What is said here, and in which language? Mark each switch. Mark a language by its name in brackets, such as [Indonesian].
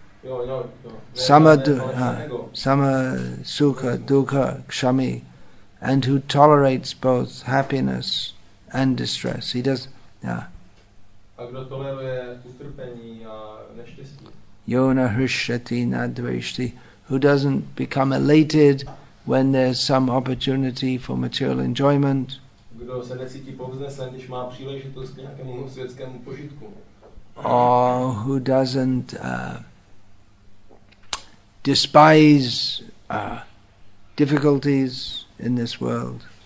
[Sanskrit] Jo, jo, jo. Sama sukha, dukha, kshami. [English] And who tolerates both happiness and distress. He does, yeah. [Czech] A kdo toleruje utrpení a neštěstí. [Sanskrit] Yona hrishyati na dvishti. [English] Who doesn't become elated when there's some opportunity for material enjoyment. [Czech] Kdo se necítí povznesen, když má příležitost k nějakému světskému požitku. [English] Or who doesn't despise difficulties in this world.